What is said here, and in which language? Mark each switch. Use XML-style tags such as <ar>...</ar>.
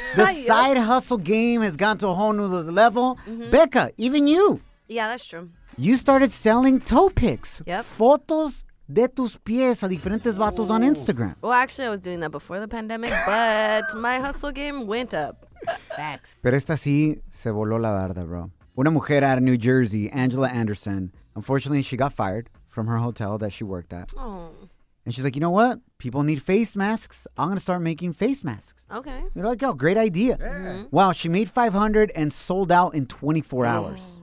<en>The side hustle game has gone to a whole new level. Mm-hmm. Becca, even you. Yeah, that's true. You started selling toe pics. Yep.</en> <es>Fotos de tus pies a diferentes vatos on Instagram.</es> <en>Well, actually, I was doing that before the pandemic, but my hustle game went up. Facts.</en> <es>Pero esta sí se voló la barda, bro.</es> <en>Una mujer out of New Jersey, Angela Anderson, unfortunately, she got fired from her hotel that she worked at. Oh. And she's like, you know what? People need face masks. I'm going to start making face masks. Okay. They're like, yo, great idea. Yeah. Wow, she made 500 and sold out in 24 hours.</en>